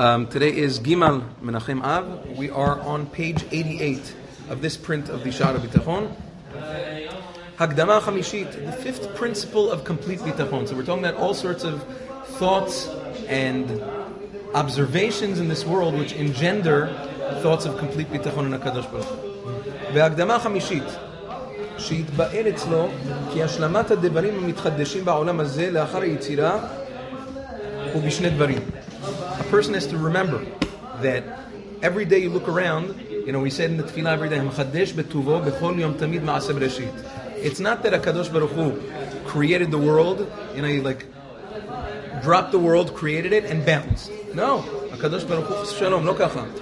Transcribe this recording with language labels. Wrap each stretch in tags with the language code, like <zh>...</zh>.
<en>Today is Gimal Menachem Av. We are on page 88 of this print of the Shaar HaBitachon. Hagdama Chamishit, the fifth principle of complete Bitachon. So we're talking about all sorts of thoughts and observations in this world which engender thoughts of complete Bitachon in HaKadosh Baruch Hu. Hagdama Chamishit.</en> <he>שיתבאר אצלו כי השלמת הדברים המתחדשים בעולם הזה לאחר היצירה הוא בשני דברים.</he> <en>A person has to remember that every day you look around, you know, we said in the tefillah every day,</en> <he>המחדש בטובו בכל יום תמיד מעשה בראשית.</he> <en>It's not that הקדוש ברוך הוא created the world, you know, he like dropped the world, created it, and bounced. No,</en> <he>הקדוש ברוך הוא, שלום, לא ככה.</he>